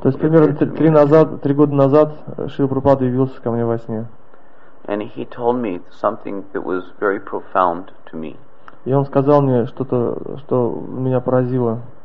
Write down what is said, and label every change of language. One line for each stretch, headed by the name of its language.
Russian: То есть примерно три года назад Шрила Прабхупада явился ко мне во сне.
English: And he told me something that was very profound to me.
Russian: И он сказал мне что-то, что меня поразило.